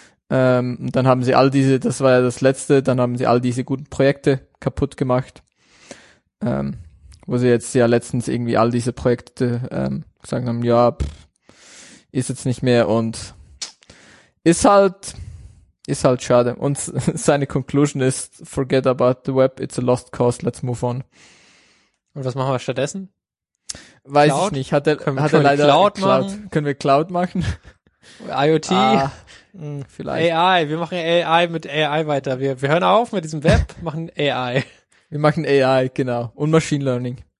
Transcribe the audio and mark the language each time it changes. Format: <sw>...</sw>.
<de>Und dann haben sie all diese, das war ja das Letzte, dann haben sie all diese guten Projekte kaputt gemacht. Wo sie jetzt ja letztens irgendwie all diese Projekte gesagt haben, ja, ist jetzt nicht mehr und ist halt schade. Und seine Conclusion ist,</de> <en>forget about the web, it's a lost cause, let's move on.</en> <de>Und was machen wir stattdessen? Weiß Cloud? Ich nicht, hat er leider Cloud. Können wir Cloud machen? IoT? Vielleicht. AI, wir machen AI mit AI weiter. Wir hören auf mit diesem Web, machen AI. Wir machen AI, genau. Und Machine Learning.</de>